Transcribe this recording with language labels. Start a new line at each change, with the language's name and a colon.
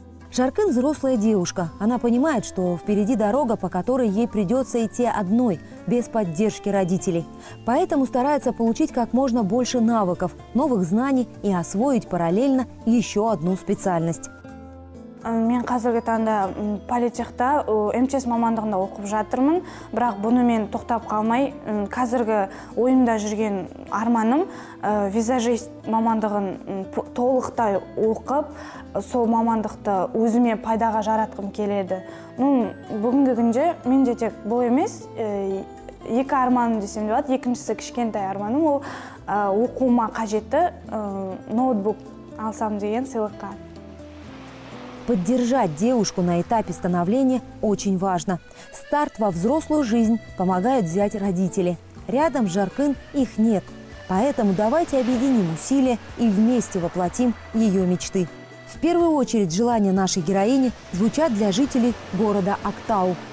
Russian: Жаркын взрослая девушка. Она понимает, что впереди дорога, по которой ей придется идти одной, без поддержки родителей. Поэтому старается получить как можно больше навыков, новых знаний и освоить параллельно еще одну специальность.
Kazakh: Мен қазіргі таңда политехта, МЧС мамандығында оқып жатырмын, бірақ бұны мен тоқтап қалмай, қазіргі ойымда жүрген арманым визажист мамандығын толықтай оқып, сол мамандықты өзіме пайдаға жаратқым келеді. Ну, бүгінгі күнде мен де тек бұл емес, екі арманым десем де болады, екіншісі кішкентай арманым, ол оқуыма қажетті ноутбук алсам деген сыйлыққа.
Russian: Поддержать девушку на этапе становления очень важно. Старт во взрослую жизнь помогают взять родители. Рядом с Жаркын их нет. Поэтому давайте объединим усилия и вместе воплотим ее мечты. В первую очередь желания нашей героини звучат для жителей города Актау.